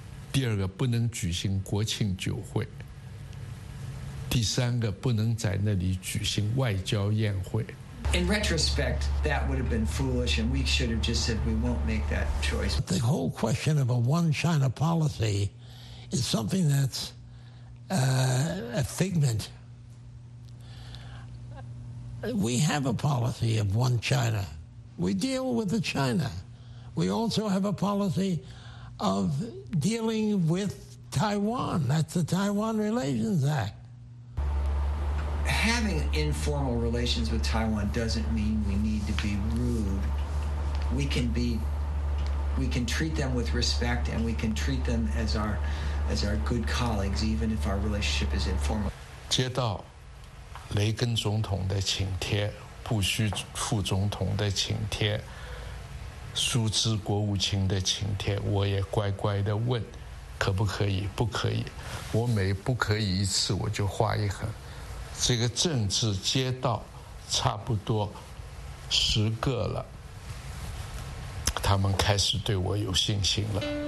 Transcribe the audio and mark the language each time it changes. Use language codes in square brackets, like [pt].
[zh] 第二个，不能举行国庆酒会。第三个，不能在那里举行外交宴会。 [en] In retrospect, that would have been foolish, and we should have just said we won't make that choice. The whole question of a one China policy is something that's a figment. We have a policy of one China. We deal with the China. We also have a policy of dealing with Taiwan. That's the Taiwan Relations Act. Having informal relations with Taiwan doesn't mean we need to be rude. We can treat them with respect, and we can treat them as our good colleagues, even if our relationship is informal. [zh] 接到雷根总统的请帖，布什副总统的请帖，苏兹国务卿的请帖，我也乖乖的问，可不可以？不可以。我每不可以一次，我就画一横。这个政治街道差不多十个了，他们开始对我有信心了。